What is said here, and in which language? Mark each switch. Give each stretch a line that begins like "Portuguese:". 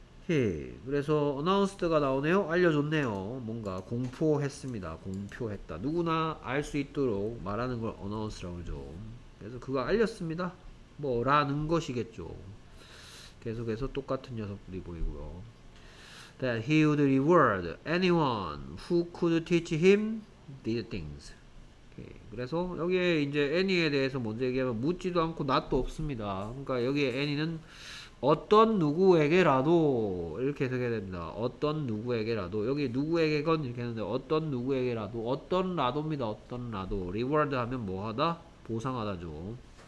Korean: 예, 그래서 announced가 나오네요. 알려줬네요. 뭔가 공표했습니다. 공표했다. 누구나 알수 있도록 말하는 걸 announce라고 그러죠. 그래서 그거 알렸습니다. 뭐라는 것이겠죠. 계속해서 똑같은 녀석들이 보이고요.
English: That he would reward anyone who could teach him these things.
Korean: 오케이. 그래서 여기에 이제 애니에 대해서 먼저 얘기하면 묻지도 않고 낫도 없습니다. 그러니까 여기에 애니는 어떤 누구에게라도 이렇게 해석해야 됩니다. 어떤 누구에게라도 여기 누구에게건 이렇게 했는데 어떤 누구에게라도 어떤 라도입니다. 어떤 라도 reward 하면 뭐하다? 보상하다죠.